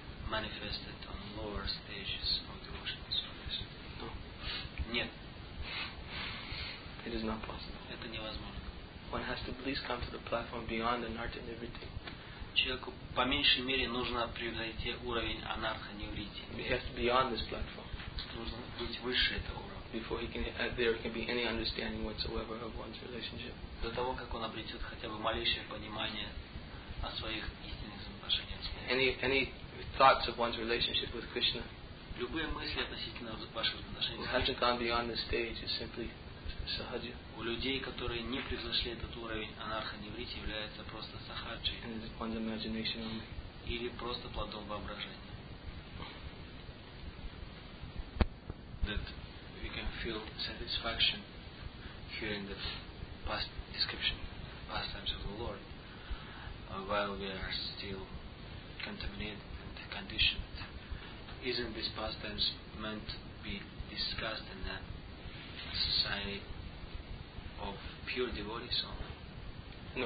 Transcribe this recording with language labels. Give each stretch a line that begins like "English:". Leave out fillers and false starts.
English: Manifested on lower stages of devotional service. No.
Russian: Нет.
English: It is not possible.
Russian: Это невозможно.
English: One has to please come to the platform beyond anartha nivritti.
Russian: Человеку по меньшей мере нужно превзойти уровень анартха нивритти.
English: He has to be beyond this platform.
Russian: Нужно быть выше этого уровня.
English: Before he can, there can be any understanding whatsoever of one's relationship.
Russian: До того, как он обретет хотя бы малейшее понимание о своих истинных отношениях с ним.
English: Any thoughts of one's relationship with Krishna.
Russian: Любые мысли относительно ваших отношений.
English: Has to come beyond the stage is simply sahaja.
Russian: У людей, которые не превзошли этот уровень анарха неврити, является просто сахаджи.
English: And it's one's imagination only.
Russian: Или просто плодом воображения.
English: That we can feel satisfaction hearing the past description, past times of the Lord, while we are still contaminated. Conditioned. Isn't these pastimes meant to be discussed in a society of pure devotees only?